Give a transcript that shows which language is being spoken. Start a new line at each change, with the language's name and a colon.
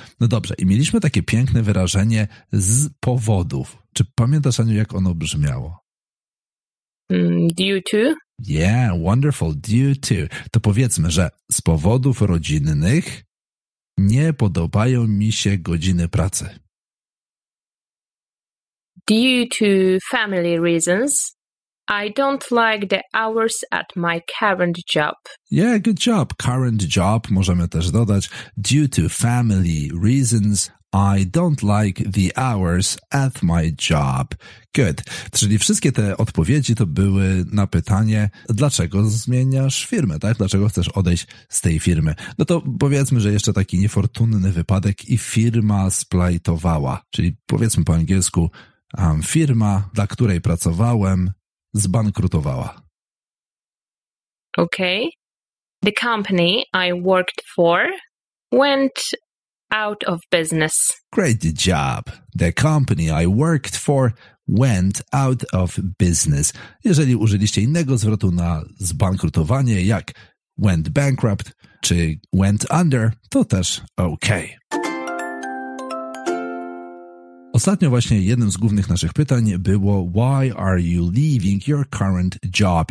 Polish: No dobrze, i mieliśmy takie piękne wyrażenie z powodów. Czy pamiętasz, Aniu, jak ono brzmiało?
English: Due to? Yeah, wonderful. Due to.
Polish: To powiedzmy, że z powodów rodzinnych nie podobają mi się godziny pracy.
English: Due to family reasons, I don't like the hours at my current job. Yeah, good job. Current job
Polish: możemy też dodać.
English: Due to family reasons, I don't like the hours at my job. Good.
Polish: Czyli wszystkie te odpowiedzi to były na pytanie, dlaczego zmieniasz firmę, tak? Dlaczego chcesz odejść z tej firmy? No to powiedzmy, że jeszcze taki niefortunny wypadek i firma splajtowała. Czyli powiedzmy po angielsku, firma, dla której pracowałem, zbankrutowała.
English: Okay. The company I worked for went out of business. Great job. The company I worked for went out of business.
Polish: Jeżeli użyliście innego zwrotu na zbankrutowanie, jak
English: went bankrupt
Polish: czy
English: went under,
Polish: to też okay. Ostatnio właśnie jednym z głównych naszych pytań było
English: why are you leaving your current job?